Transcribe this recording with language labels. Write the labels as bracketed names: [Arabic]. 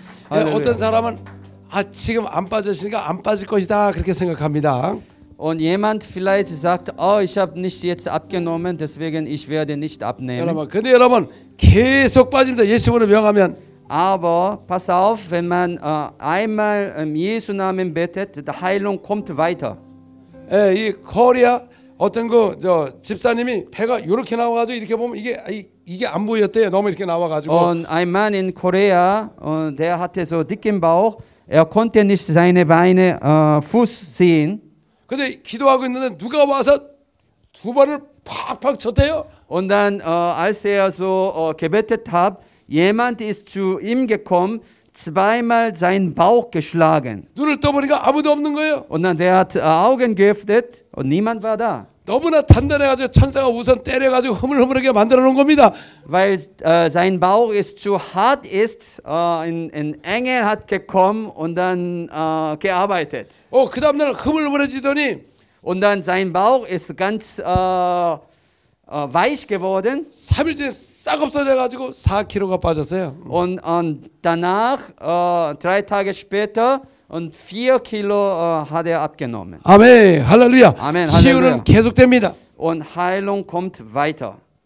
[Korean] 어떤 사람은 아 지금 안 빠졌으니까 안 빠질 것이다 그렇게 생각합니다. [German] Und jemand vielleicht sagt, ich habe nicht jetzt abgenommen, deswegen ich werde nicht abnehmen. [Korean] 여러분, 근데 여러분 계속 빠집니다. 예수님을 명하면. [German] Aber pass auf, wenn man einmal im Jesu Namen betet, die Heilung kommt weiter. [Korean] 예, 이 코리아 어떤 거 저 집사님이 배가 이렇게 나와가지고 이렇게 보면 이게 안 보였대요. 너무 이렇게 나와가지고. [German] Und ein Mann in Korea, der hatte so dicken Bauch. Er konnte nicht seine Beine, Fuß sehen. [Korean] 근데 기도하고 있는데 누가 와서 두 발을 팍팍 쳤대요. [German] Und dann als er so gebetet hat, jemand ist zu ihm gekommen, zweimal seinen Bauch geschlagen. [Korean] 눈을 떠보니까 아무도 없는 거예요. [German] Und dann der hat Augen geöffnet und niemand war da. [Korean] 너무나 단단해가지고 천사가 우선 때려가지고 흐물흐물하게 만들어 놓은 겁니다. [German] Weil sein Bauch ist zu hart ist, ein Engel hat gekommen und dann gearbeitet. [Korean] 그 다음 날 흐물흐물해지더니. [German] Und dann sein Bauch ist ganz weich geworden. [Korean] 3일 뒤에 싹 없어져가지고 4kg가 빠졌어요. [German] Und danach, drei Tage später. Und 4kg hat abgenommen. Amen. Halleluja. Amen. [Korean] 치유는 계속됩니다. [German] Und Heilung kommt weiter.